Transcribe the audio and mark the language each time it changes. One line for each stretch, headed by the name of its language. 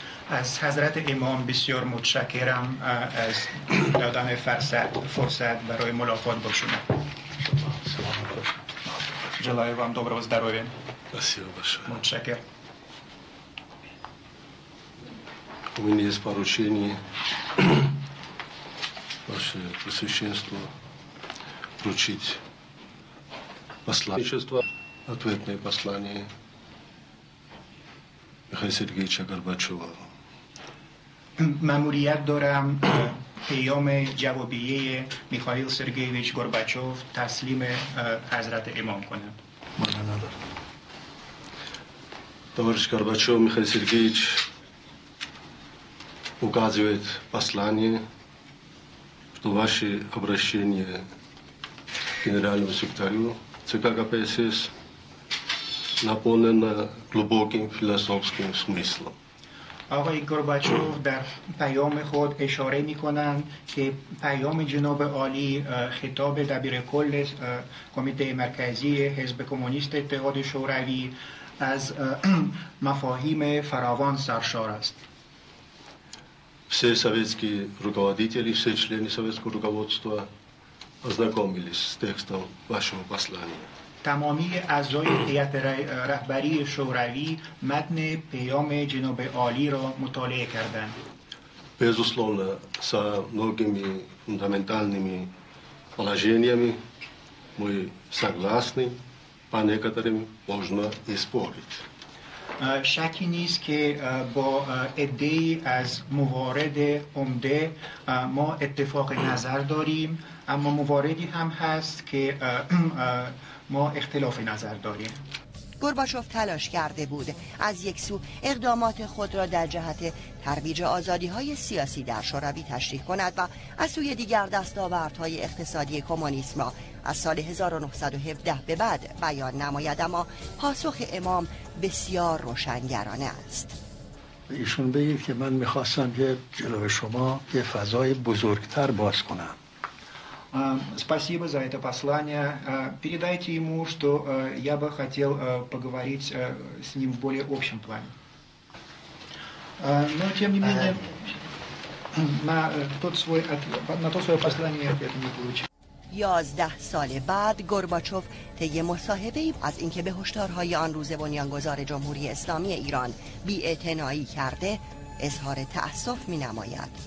Persian: از حضرت امام بسیار متشکرم از دادن فرصت برای ملاقات با شما.
Russian: Желаю вам доброго здоровья. Спасибо большое.
Persian: Мучакер.
Russian: У меня есть поручение ваше Пресвященство вручить послание. Ответное послание Михаила Сергеевича Горбачева.
Persian: Мемориал дарам پیام جوابیه میخائیل سرگیویچ گورباچوف تسلیم حضرت امام کنند.
Russian: товарищ Горбачев Михаил Сергеевич указывает послание, что ваше обращение генеральному секретарю ЦК КПСС наполнено глубоким философским смыслом.
Persian: آقای گورباچوف در پیام خود اشاره می‌کنند که پیام جناب عالی خطاب دبیر کل کمیته مرکزی حزب کمونیست اتحاد شوروی از مفاهیم فراوان سرشار است.
Russian: все советские руководители, все члены советского руководства ознакомились с текстом вашего послания.
Persian: تمامی اعضای هیئت رهبری شوروی متن پیام جناب عالی را مطالعه کردند.
Russian: безусловно, со многими фундаментальными положениями мы согласны, по некоторым можно и спорить.
Persian: شکی نیست که با عده‌ای از موارد عمده ما اتفاق نظر داریم، اما مواردی هم هست که ما اختلاف نظر داریم. گورباچوف تلاش کرده بود از یک سو اقدامات خود را در جهت ترویج آزادی‌های سیاسی در شوروی تشریح کند و از سوی دیگر دستاوردهای اقتصادی کمونیسم را از سال 1917 به بعد بیان نماید، اما پاسخ امام بسیار روشنگرانه است. ایشون بگید که من می‌خواستم که جلوی شما یه فضای بزرگتر باز کنم.
Russian: Спасибо за это послание. Передайте ему, что я бы хотел поговорить с ним в более общем плане. Но тем не менее, на то свое послание ответа не получил.
Persian: 11 سال بعد گورباچوف طی مصاحبه‌ای از اینکه به هشدارهای آن روز بنیانگذار جمهوری اسلامی ایران بی‌اعتنایی کرده اظهار تأسف می‌نماید.